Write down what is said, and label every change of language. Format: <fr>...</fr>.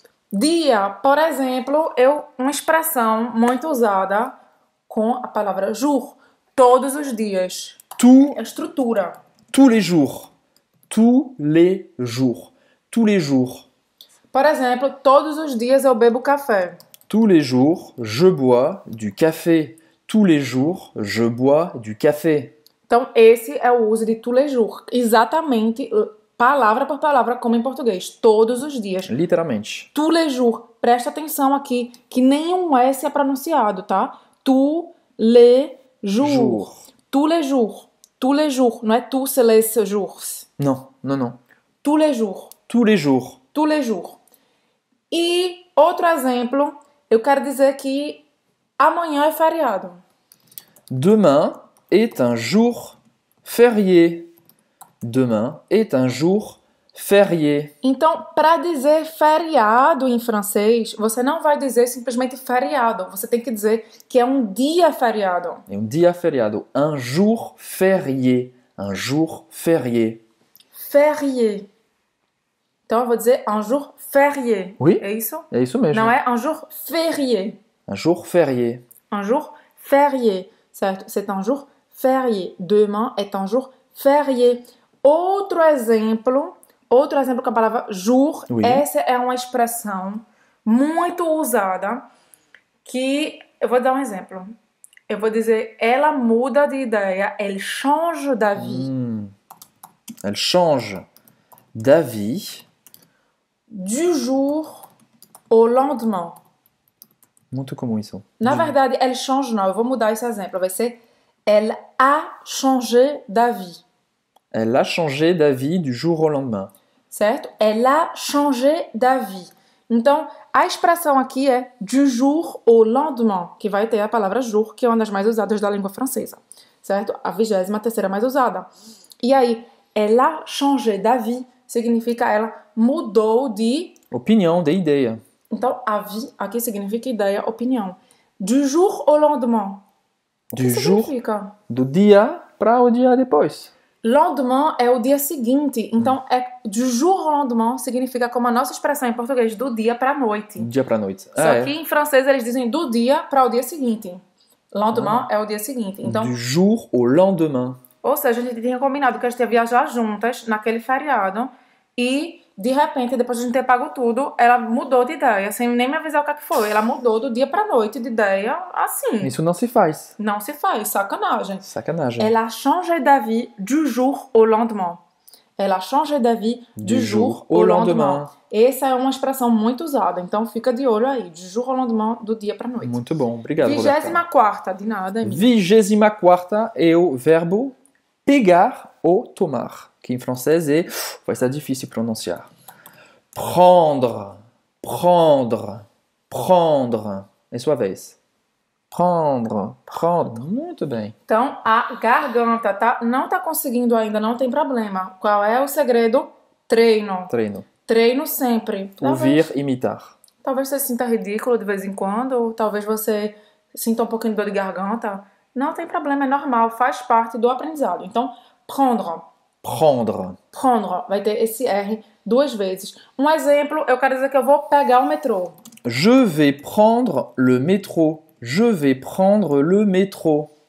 <pt>Dia, por exemplo, é uma expressão muito usada com a palavra jour. Todos os dias.</pt> <fr>Tout.</fr> <pt>É a estrutura.</pt> <fr>Tous les jours. Tous les jours. Tous les jours.</fr> <pt>Por exemplo, todos os dias eu bebo café.</pt> <fr>Tous les jours, je bois du café. Tous les jours, je bois du café.</fr> <pt>Então, esse é o uso de</pt> <fr>tous les jours.</fr> <pt>Exatamente, palavra por palavra, como em português. Todos os dias. Literalmente.</pt> <fr>Tous les jours.</fr> <pt>Presta atenção aqui, que nenhum S é pronunciado, tá?</pt> <fr>Tous les jours. Jour. Tous les jours. Tous les jours.</fr> <pt>Não é</pt> <fr>tous les jours.</fr> <pt>Não, não, não.</pt> <fr>Tous les jours. Tous les jours. Tous les jours.</fr> <pt>E outro exemplo, eu quero dizer que amanhã é feriado.</pt> <fr>Demain est un jour férié. Demain est un jour férié.</fr> <pt>Então, para dizer feriado em francês, você não vai dizer simplesmente feriado. Você tem que dizer que é um dia feriado. É um dia feriado.</pt> <fr>Un jour férié. Un jour férié. Férié.</fr> <pt>Então, eu vou dizer</pt> <fr>un jour férié. Oui.</fr> <pt>É isso? É isso mesmo. Não é</pt> <fr>un jour férié. Un jour férié. Un jour férié.</fr> <pt>Certo?</pt> <fr>C'est un jour férié. Demain est un jour férié.</fr> <pt>Outro exemplo com a palavra jour.</pt> <fr>Oui.</fr> <pt>Essa é uma expressão muito usada que eu vou dar um exemplo. Eu vou dizer ela muda de ideia,</pt> <fr>elle change d'avis. Elle change d'avis du jour au lendemain.</fr> <pt>Muito comum isso. Na verdade,</pt> <fr>elle change</fr> <pt>não. Eu vou mudar esse exemplo. Vai ser</pt> <fr>elle a changé d'avis. Elle a changé d'avis du jour au lendemain.</fr> <pt>Certo?</pt> <fr>Elle a changé d'avis.</fr> <pt>Então, a expressão aqui é</pt> <fr>du jour au lendemain,</fr> <pt>que vai ter a palavra jour, que é uma das mais usadas da língua francesa. Certo? A 23ª mais usada. E aí,</pt> <fr>elle a changé d'avis</fr> <pt>significa ela mudou de... opinião, de ideia. Então, avis aqui significa ideia, opinião.</pt> <fr>Du jour au lendemain. Du jour,</fr> <pt>significa? Do dia para o dia depois. Lendemain é o dia seguinte. Então, é</pt> <fr>du jour au lendemain</fr> <pt>significa como a nossa expressão em português, do dia para a noite. Dia para a noite. Só que em francês eles dizem do dia para o dia seguinte. Lendemain é o dia seguinte. Então,</pt> <fr>du jour au lendemain.</fr> <pt>Ou seja, a gente tinha combinado que a gente ia viajar juntas naquele feriado e, de repente, depois de a gente ter pago tudo, ela mudou de ideia, sem nem me avisar o que foi. Ela mudou do dia para a noite de ideia, assim. Isso não se faz. Não se faz, sacanagem. Sacanagem.</pt> <fr>Elle a changé d'avis du jour au lendemain. Elle a changé d'avis du jour au lendemain.</fr> <pt>Essa é uma expressão muito usada, então fica de olho aí.</pt> <fr>Du jour au lendemain,</fr> <pt>do dia para a noite. Muito bom, obrigado. 24ª, de nada, amigo. 24ª é o verbo pegar ou tomar. Que em francês é... vai ser difícil pronunciar. Prendre. Prendre. Prendre. É sua vez. Prendre. Prendre. Muito bem. Então, a garganta, tá? Não tá conseguindo ainda, não tem problema. Qual é o segredo? Treino. Treino. Treino sempre. Talvez, ouvir, imitar. Talvez você sinta ridículo de vez em quando. Ou talvez você sinta um pouquinho de dor de garganta. Não tem problema, é normal. Faz parte do aprendizado. Então,</pt> <fr>Prendre. Prendre. Prendre.</fr> <pt>Vai ter esse R duas vezes. Um exemplo, eu quero dizer que eu vou pegar o metrô.</pt> <fr>Je vais prendre le métro. Je vais prendre le métro.</fr>